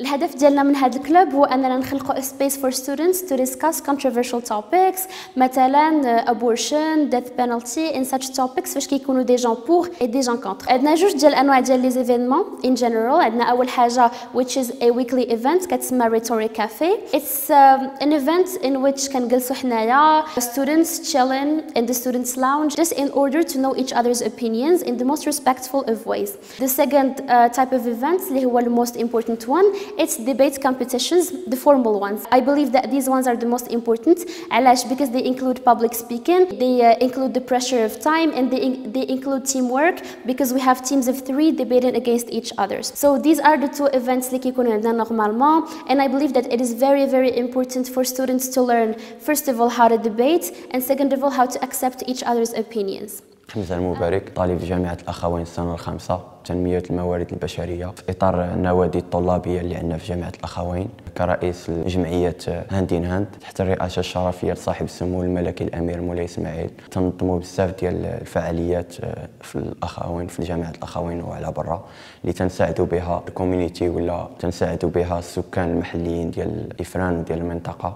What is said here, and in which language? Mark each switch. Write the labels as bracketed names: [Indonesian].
[Arabic] الهدف ديالنا من هذا الكلوب هو اننا نخلقوا [English] space for students to discuss controversial topics, [Arabic] مثلا [English] ابورشن، ديث بينالتي، ان ساتش توبكس [Arabic] فاش كيكونوا [French] دي جون بور اي دي جون كونتر. [Arabic] عندنا جوج ديال الانواع ديال [French] لي زيفينمون ان جينيرال. [Arabic] عندنا اول حاجه [English] which is a weekly event [Arabic] كتسمى ريتوري كافي. [English] It's an event in which [Arabic] can gelsu hnaya [English] students chillin in the students lounge just in order to know each other's opinions in the most respectful of ways. The second type of events [Arabic] li huwa [English] the most important one, it's debate competitions, the formal ones. I believe that these ones are the most important [Arabic] علاش [English] because they include public speaking, they include the pressure of time, and they include teamwork because we have teams of three debating against each other. So these are the two events [Arabic] li kikunu عندنا [English] normalement, and I believe that it is very important for students to learn first of all how to debate and second of all how to accept each other's opinions. [Arabic] حمزة المبارك، طالب في جامعة الأخوين السنة الخامسة تنمية الموارد البشرية في إطار النوادي الطلابية اللي عندنا في جامعة الأخوين. كرئيس الجمعية هاند إن هاند تحت الرئاسة الشرفية لصاحب السمو الملكي الأمير مولاي إسماعيل، تنظموا بزاف ديال الفعاليات في الأخوين في جامعة الأخوين وعلى برا اللي تنساعدوا بها الكوميونيتي ولا تنساعدوا بها السكان المحليين ديال إفران ديال المنطقة.